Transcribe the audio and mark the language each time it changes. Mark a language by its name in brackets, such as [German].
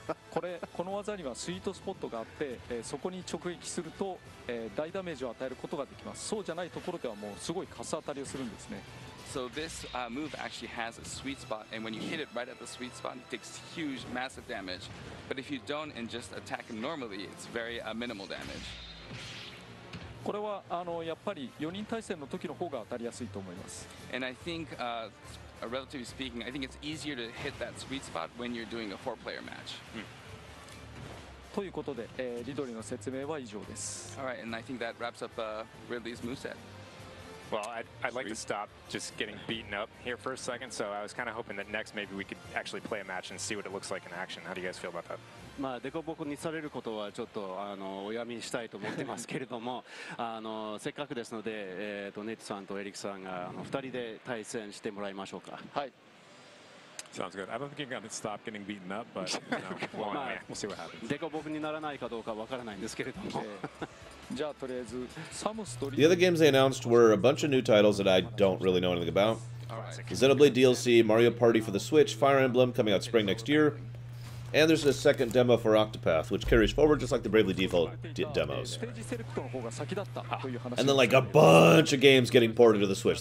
[Japanese] これこの技にはスイートスポットがあって、そこに直撃すると、大ダメージを与えることができます。そうじゃないところではもうすごいカス当たりをするんですね。 [English] So this move actually has a sweet spot, and when you hit it right at the sweet spot, it takes huge, massive damage. But if you don't and just attack normally, it's very minimal damage. [Japanese] これはやっぱり4人対戦の時の方が当たりやすいと思います。 [English] And I think, relatively speaking, I think it's easier to hit that sweet spot when you're doing a four-player match. [Japanese] ということで、リドリーの説明は以上です。 [English] All right, and I think that wraps up Ridley's moveset. Well, I'd like to stop just getting beaten up here for a second, so I was kind of hoping that next maybe we could actually play a match and see what it looks like in action. How do you guys feel about that? [Japanese] まあ、デコボコにされることはちょっとおやみしたいと思ってますけれどもせっかくですので、ネットさんとエリックさんが2人で対戦してもらいましょうか。はい。 [English] Sounds good. I don't think you're going to stop getting beaten up, but you know, we'll see what happens. [Japanese] デコボコにならないかどうかわからないんですけれども。じゃあとりあえずサムストリー。 [English] The other games they announced were a bunch of new titles that I don't really know anything about. Xenoblade DLC, Mario Party for the Switch, Fire Emblem coming out spring next year. And there's a second demo for Octopath, which carries forward just like the Bravely Default demos. And then like a bunch of games getting ported to the Switch.